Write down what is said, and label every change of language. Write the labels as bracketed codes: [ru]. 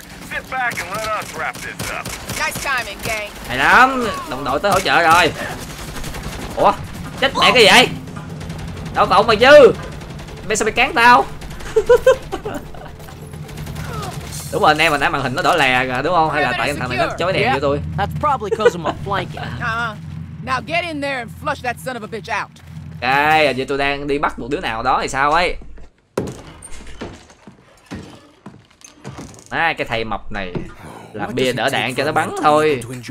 [en] Sit back and let us wrap this up. Nice timing, gang. [vi] Hay lắm, đồng đội tới hỗ trợ rồi. Ủa, chết mẹ cái vậy? Đâu tổng mày chứ? Mày sao mày cán tao? Đúng rồi anh em, mà nãy màn hình nó đỏ lè rồi đúng không? Hay là tại thằng này nó chói đèn cho tôi? [en] That's probably cause of my flanking. Now get in there and flush that son of a bitch out. [vi] Ok, giờ tôi đang đi bắt một đứa nào đó thì sao ấy? À, cái thầy mập này làm bia đỡ đạn cho nó bắn thôi.